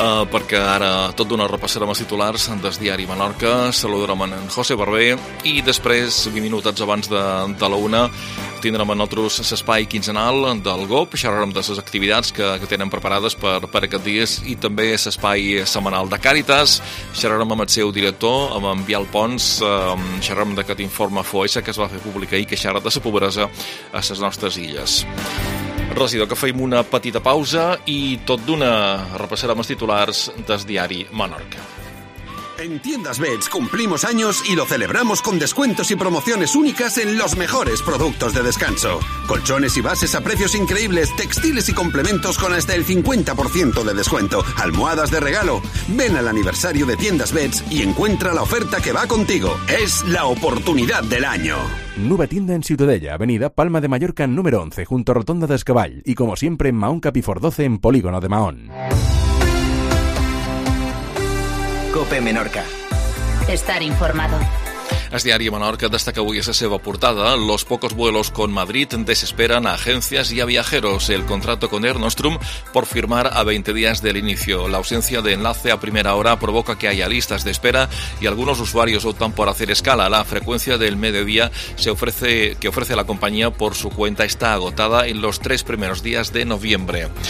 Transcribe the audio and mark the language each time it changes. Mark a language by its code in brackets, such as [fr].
[ca] Perquè ara tot d'una repassarem els titulars des Diari Menorca, saludarem en José Barber i després, 20 minutets abans de la una, tindrem amb nosaltres l'espai quinzenal del GOP, xerrarem de les activitats que tenen preparades per aquest dies i també l'espai setmanal de Càritas, xerrarem amb el seu director, amb en Vial Pons, xerrarem d'aquest informe FOESA que es va fer públic ahir que xerra de la pobresa a les nostres illes. Residor, que fem una petita pausa i tot d'una repassarem els titulars del diari Menorca. [es] En Tiendas Bets cumplimos años y lo celebramos con descuentos y promociones únicas en los mejores productos de descanso. Colchones y bases a precios increíbles, textiles y complementos con hasta el 50% de descuento, almohadas de regalo. Ven al aniversario de Tiendas Bets y encuentra la oferta que va contigo. Es la oportunidad del año. Nueva tienda en Ciutadella, avenida Palma de Mallorca, número 11, junto a Rotonda de Escaball. Y como siempre, en Mahón Capifor 12, en Polígono de Mahón. COPE Menorca. Estar informado. [ca] El diari Menorca destaca avui a la seva portada. [es] Los pocos vuelos con Madrid desesperan a agencias y a viajeros. El contrato con Air Nostrum por firmar a 20 días del inicio. La ausencia de enlace a primera hora provoca que haya listas de espera y algunos usuarios optan por hacer escala. La frecuencia del mediodía que ofrece la compañía por su cuenta está agotada en los tres primeros días de noviembre.